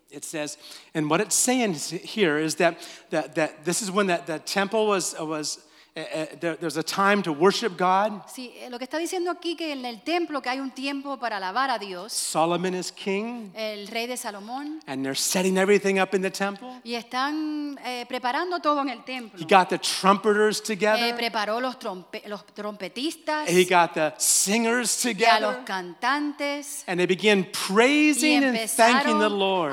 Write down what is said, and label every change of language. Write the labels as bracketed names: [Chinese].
[English] It says, and what it's saying here is that this is when the temple was. There's a time to worship God. [Spanish] Sí, lo que está diciendo aquí que en el templo que hay un tiempo para alabar a Dios. [English] Solomon is king. [Spanish] El rey de Salomón. [English] And they're setting everything up in the temple. [Spanish] Y están preparando todo en el templo. [English] He got the trumpeters together. [Spanish] Preparó los trompetistas. [English] He got the singers together. [Spanish] Y a los cantantes. [English] And they began praising and thanking the Lord.